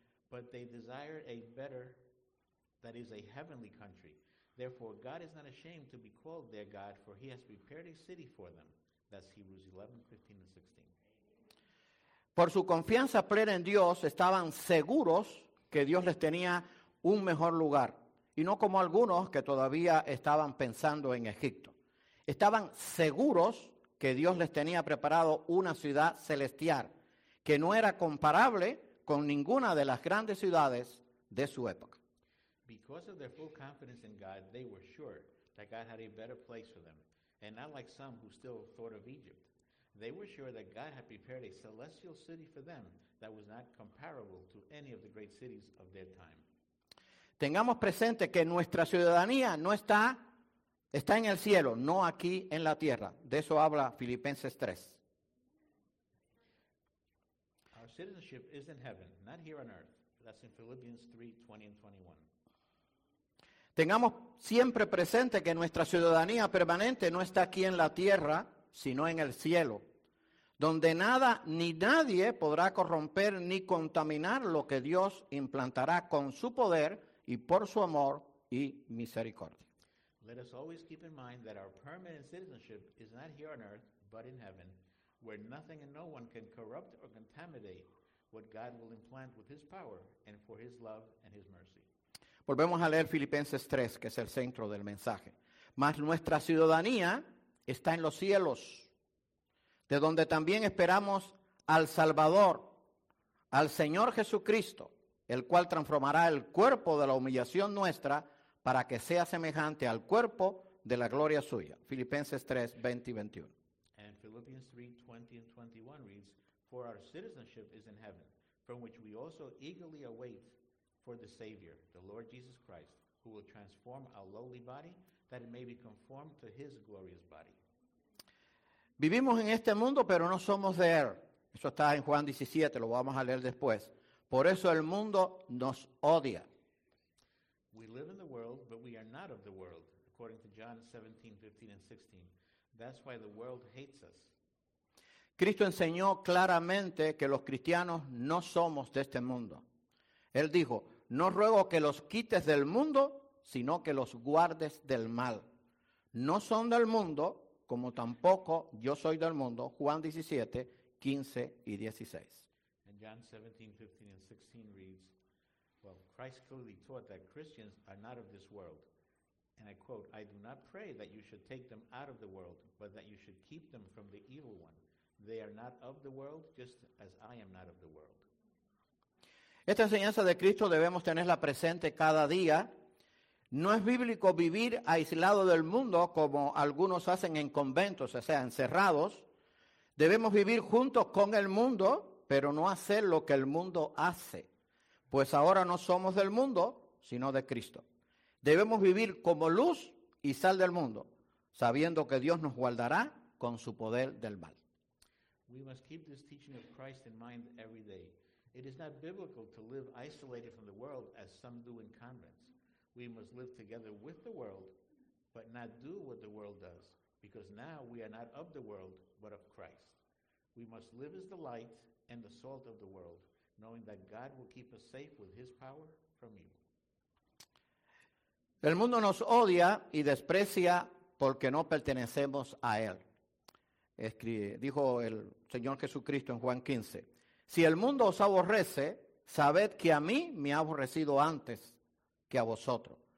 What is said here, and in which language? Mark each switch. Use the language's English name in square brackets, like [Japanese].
[English] But they desired a better, that is, a heavenly country. Therefore, God is not ashamed to be called their God, for he has prepared a city for them. That's Hebrews 11:15-16. [Spanish] Por su confianza plena en Dios, estaban seguros que Dios les tenía un mejor lugar, y no como algunos que todavía estaban pensando en Egipto. Estaban seguros que Dios les tenía preparado una ciudad celestial, que no era comparable con ninguna de las grandes ciudades de su época. [English] Because of their full confidence in God, they were sure that God had a better place for them, and not like some who still thought of Egypt. They were sure that God had prepared a celestial city for them that was not comparable to any of the great cities of their time. [Spanish] Tengamos presente que nuestra ciudadanía no está en el cielo, no aquí en la tierra. De eso habla Filipenses 3. [English] Our citizenship is in heaven, not here on earth. That's in Philippians 3:20-21. [Spanish] Tengamos siempre presente que nuestra ciudadanía permanente no está aquí en la tierra, sino en el cielo, donde nada ni nadie podrá corromper ni contaminar lo que Dios implantará con su poder y por su amor y misericordia. [English] Let us always keep in mind that our permanent citizenship is not here on earth, but in heaven, where nothing and no one can corrupt or contaminate what God will implant with his power and for his love and his mercy. [Spanish] Volvemos a leer Filipenses 3, que es el centro del mensaje. Mas nuestra ciudadanía está en los cielos, de donde también esperamos al Salvador, al Señor Jesucristo, el cual transformará el cuerpo de la humillación nuestra para que sea semejante al cuerpo de la gloria suya. Filipenses 3, 20 y 21. [English] Philippians 3:20 and 21 reads, "For our citizenship is in heaven, from which we also eagerly await for the Savior, the Lord Jesus Christ, who will transform our lowly body that it may be conformed to his glorious body." [Spanish] Vivimos en este mundo, pero no somos de él. Eso está en Juan 17, lo vamos a leer después. Por eso el mundo nos odia. [English] We live in the world, but we are not of the world, according to John 17, 15, and 16. That's why the world hates us. [Spanish] Cristo enseñó claramente que los cristianos no somos de este mundo. Él dijo, no ruego que los quites del mundo, sino que los guardes del mal. No son del mundo, como tampoco yo soy del mundo, Juan 17, 15 y 16. [English] And John 17, 15 and 16 reads, well, Christ clearly taught that Christians are not of this world. And I quote, I do not pray that you should take them out of the world, but that you should keep them from the evil one. They are not of the world, just as I am not of the world. [Spanish] Esta enseñanza de Cristo debemos tenerla presente cada día. No es bíblico vivir aislado del mundo como algunos hacen en conventos, o sea, encerrados. Debemos vivir juntos con el mundo, pero no hacer lo que el mundo hace. Pues ahora no somos del mundo, sino de Cristo. Debemos vivir como luz y sal del mundo, sabiendo que Dios nos guardará con su poder del mal. [English] We must keep this teaching of Christ in mind every day. It is not biblical to live isolated from the world as some do in convents. We must live together with the world, but not do what the world does, because now we are not of the world, but of Christ. We must live as the light and the salt of the world, knowing that God will keep us safe with his power from evil. [Spanish] El mundo nos odia y desprecia porque no pertenecemos a él. Dijo el Señor Jesucristo en Juan 15, si el mundo os aborrece, sabed que a mí me ha aborrecido antes que a vosotros.